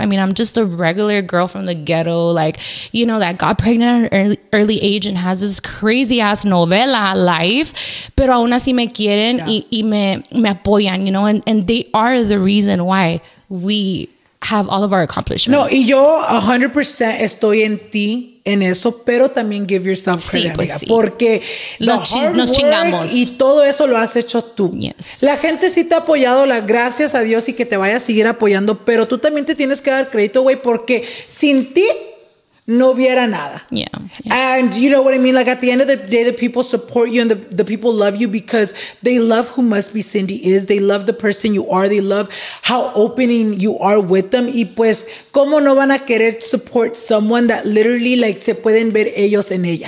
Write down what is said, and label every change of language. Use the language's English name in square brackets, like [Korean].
[English] I mean, I'm just a regular girl from the ghetto, like, you know, that got pregnant at an early age and has this crazy ass novela life, [Spanish] pero aún así me quieren y me apoyan, [English] you know, and they are the reason why we have all of our accomplishments. [Spanish] No, y yo 100% estoy en ti en eso, pero también [English] give yourself credit, [Spanish] pues sí. Porque nos chingamos y todo eso lo has hecho tú. [English] Yes. [Spanish] La gente sí te ha apoyado, gracias a Dios, y que te vaya a seguir apoyando, pero tú también te tienes que dar crédito, güey, porque sin ti no hubiera nada. [English] And you know what I mean? Like, at the end of the day, the people support you and the people love you because they love who Must Be Cindy is. They love the person you are. They love how opening you are with them. [Spanish] Y pues, ¿cómo no van a querer [English] support someone that literally, like, [Spanish] se pueden ver ellos en ella?